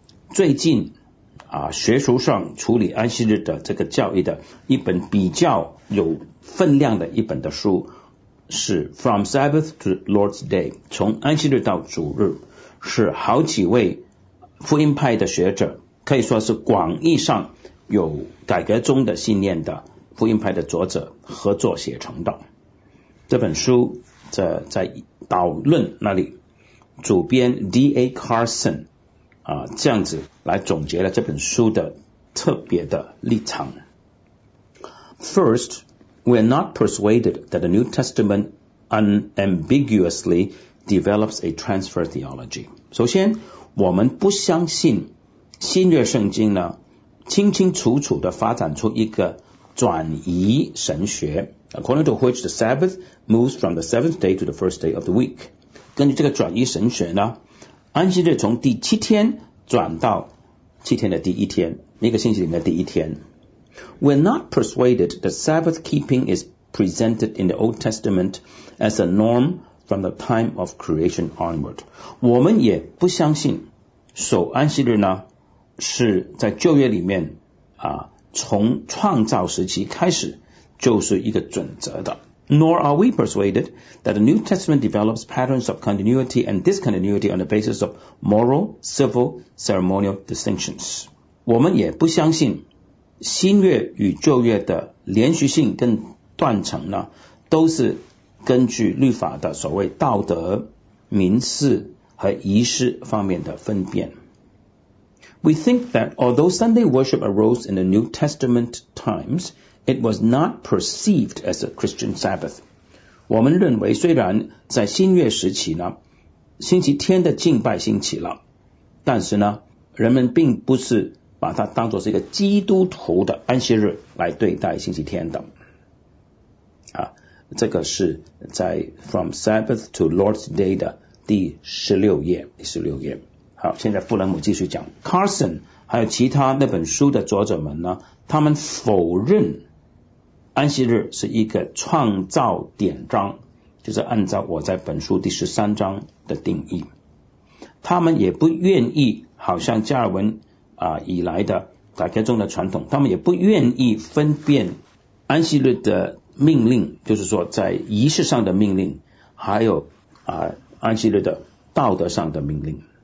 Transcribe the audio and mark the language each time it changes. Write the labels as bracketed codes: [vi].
[zh] 最近学术上处理安息日的这个教义的一本比较有分量的一本的书，是 From Sabbath to Lord's Day， 从安息日到主日，是好几位福音派的学者，可以说是广义上有改革中的信念的福音派的作者合作写成的。这本书在导论那里，主编 D.A. Carson 这样子来总结了这本书的特别的立场。 [en] FirstWe are not persuaded that the New Testament unambiguously develops a transfer theology. [zh] 首先，我们不相信新约圣经呢，清清楚楚地发展出一个转移神学， [en] according to which the Sabbath moves from the seventh day to the first day of the week. [zh] 根据这个转移神学呢，安息日从第七天转到七天的第一天，一个星期里面的第一天。 [en] We're not persuaded that Sabbath keeping is presented in the Old Testament as a norm from the time of creation onward. [zh] 我们也不相信守安息日呢是在旧约里面从创造时期开始就是一个准则的。 [en] Nor are we persuaded that the New Testament develops patterns of continuity and discontinuity on the basis of moral, civil, ceremonial distinctions. [zh] 我们也不相信新约与旧约的连续性跟断层呢，都是根据律法的所谓道德、民事和仪式方面的分辨。 [en] We think that although Sunday worship arose in the New Testament times, it was not perceived as a Christian Sabbath. [zh] 我们认为虽然在新约时期呢，星期天的敬拜兴起了，但是呢，人们并不是把它当作是一个基督徒的安息日来对待星期天的。啊，这个是在 From Sabbath to Lord's Day 的第16页，好，现在富兰姆继续讲 Carson 还有其他那本书的作者们呢，他们否认安息日是一个创造典章，就是按照我在本书第13章的定义。他们也不愿意好像加尔文以来的改革中的传统，他们也不愿意分辨安息日的命令，就是说在仪式上的命令，还有安息日的道德上的命令。